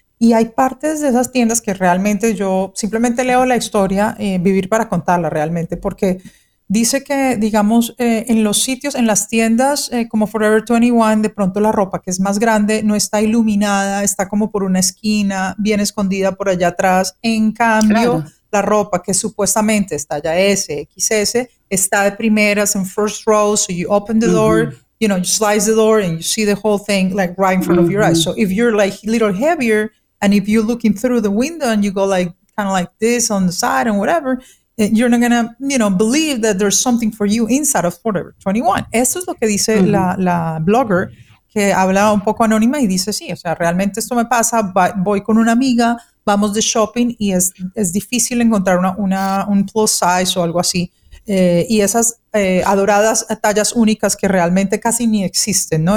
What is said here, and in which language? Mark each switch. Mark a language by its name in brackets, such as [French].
[Spanish] Y hay partes de esas tiendas que realmente yo simplemente leo la historia, vivir para contarla realmente, porque dice que, digamos, en los sitios, en las tiendas como Forever 21, de pronto la ropa que es más grande no está iluminada, está como por una esquina, bien escondida por allá atrás. En cambio, claro. La ropa que supuestamente está ya S, XS, está de primeras, en [English] first row, so you open the [Spanish] uh-huh. [English] door, you know, you slice the door and you see the whole thing like right in front uh-huh. of your eyes. So if you're like a little heavier, and if you're looking through the window and you go like kind of like this on the side and whatever, you're not gonna, you know, believe that there's something for you inside of Forever 21. [Spanish] Eso es lo que dice uh-huh. la blogger que hablaba un poco anónima y dice, sí, o sea, realmente esto me pasa, voy con una amiga, vamos de shopping y es difícil encontrar un plus size o algo así. Y esas adoradas tallas únicas que realmente casi ni existen, ¿no?